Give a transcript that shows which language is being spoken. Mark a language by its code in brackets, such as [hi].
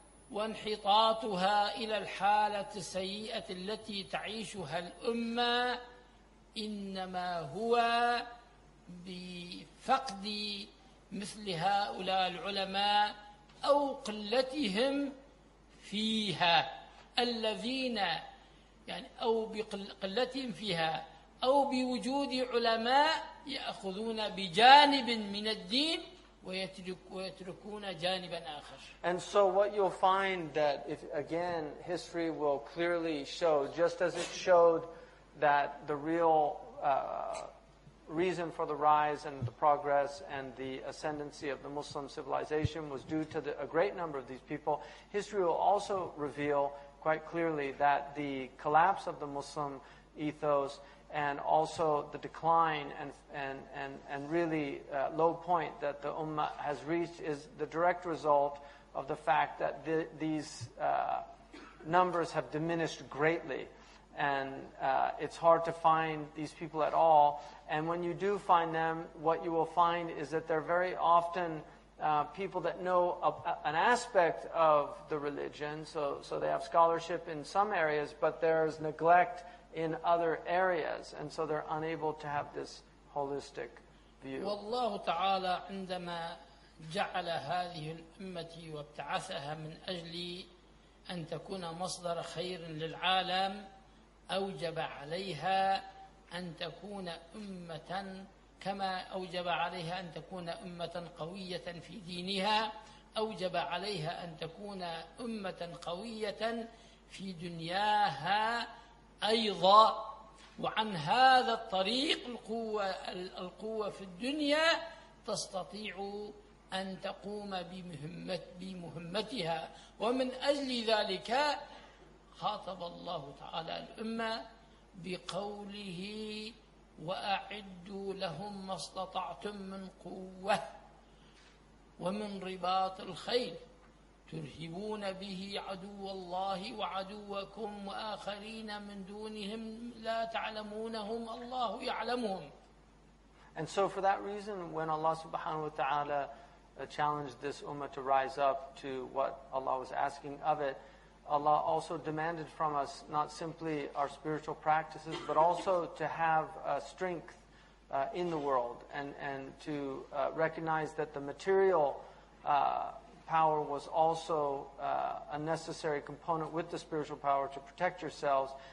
[ar] وانحطاطها إلى الحالة السيئة التي تعيشها الأمة إنما هو بفقد مثل هؤلاء العلماء أو قلتهم فيها الذين يعني أو بقلتهم فيها أو بوجود علماء يأخذون بجانب من الدين ويتركون جانبا آخر. [en] And so what you'll find that if again history will clearly show, just as it showed that the real reason for the rise and the progress and the ascendancy of the Muslim civilization was due to a great number of these people, history will also reveal quite clearly that the collapse of the Muslim ethos and also the decline and really low point that the Ummah has reached is the direct result of the fact that these numbers have diminished greatly. And it's hard to find these people at all. And when you do find them, what you will find is that they're very often people that know an aspect of the religion. So they have scholarship in some areas, but there's neglect in other areas. And so they're unable to have this holistic view. [ar] والله تعالى عندما جعل هذه الأمة وابتعثها من أجل أن تكون مصدر خير للعالم أوجب عليها أن تكون أمة كما أوجب عليها أن تكون أمة قوية في دينها أوجب عليها أن تكون أمة قوية في دنياها أيضا وعن هذا الطريق القوة في الدنيا تستطيع أن تقوم بمهمتها ومن أجل ذلك خاطب الله تعالى الأمة بقوله وأعدوا لهم ما استطعتم من قوة ومن رباط الخيل ترهبون به عدو الله وعدوكم وآخرين من دونهم لا تعلمونهم الله يعلمهم. [en] And so for that reason, when Allah subhanahu wa ta'ala challenged this ummah to rise up to what Allah was asking of it, Allah also demanded from us not simply our spiritual practices, but also to have strength in the world and to recognize that the material power was also a necessary component with the spiritual power to protect yourselves.